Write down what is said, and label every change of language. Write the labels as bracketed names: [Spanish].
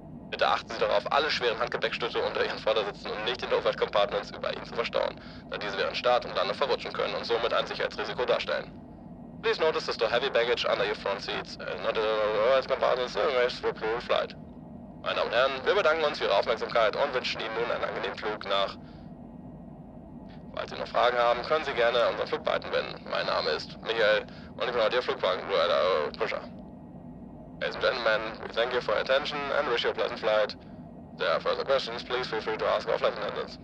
[German] Bitte achten Sie darauf, alle schweren Handgepäckstücke unter Ihren Vordersitzen und nicht in den Overhead-Compartments über Ihnen zu verstauen, da diese während Start und Landung verrutschen können und somit ein Sicherheitsrisiko darstellen. [English] Please notice that the heavy baggage under your front seats and not in the Overhead-Compartments remains for crew flight. [German] Meine Damen und Herren, wir bedanken uns für Ihre Aufmerksamkeit und wünschen Ihnen nun einen angenehmen Flug nach... Falls Sie noch Fragen haben, können Sie gerne unseren Flugbeamten wenden. Mein Name ist Michael und ich bin heute Ihr Flugwagen-Pusher. [English] Ladies and gentlemen, we thank you for your attention and wish you a pleasant flight. If there are further questions, please feel free to ask our flight attendants.